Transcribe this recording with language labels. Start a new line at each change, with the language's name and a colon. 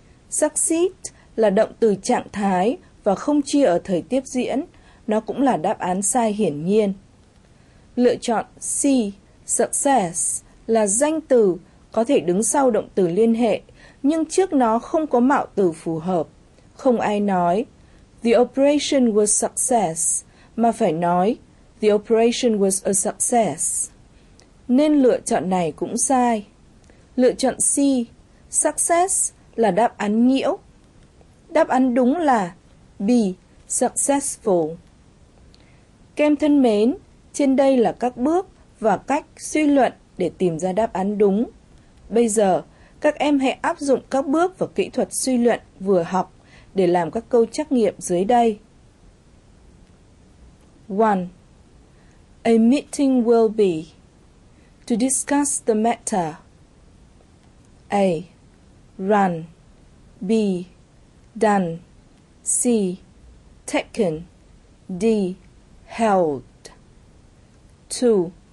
Vietnamese: Succeed là động từ trạng thái và không chia ở thời tiếp diễn, nó cũng là đáp án sai hiển nhiên. Lựa chọn C, success là danh từ có thể đứng sau động từ liên hệ, nhưng trước nó không có mạo từ phù hợp. Không ai nói
English: the operation was success,
Vietnamese: mà phải nói
English: the operation was a success.
Vietnamese: Nên lựa chọn này cũng sai. Lựa chọn C, success là đáp án nhiễu. Đáp án đúng là B, successful. Các em thân mến, trên đây là các bước và cách suy luận để tìm ra đáp án đúng. Bây giờ, các em hãy áp dụng các bước và kỹ thuật suy luận vừa học để làm các câu trắc nghiệm dưới đây. 1.
English: A meeting will be to discuss the matter. A. Run. B. Done. C. Taken. D. Held. 2.